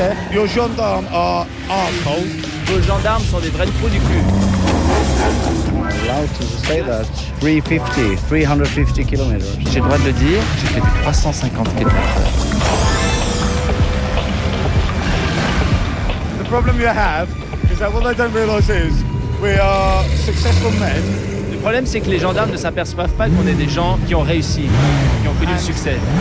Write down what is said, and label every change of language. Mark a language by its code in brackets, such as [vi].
[en] Your gendarmes are assholes. [fr] Vos gendarmes sont des vrais trous du cul. [en] Allowed to say that. 350 kilometers. [fr] J'ai le droit de le dire, j'ai fait 350 kilometers. [en] The problem you have is that what they don't realize is we are successful men. [fr] Le problème c'est que les gendarmes ne s'aperçoivent pas qu'on est des gens qui ont réussi, qui ont connu le succès.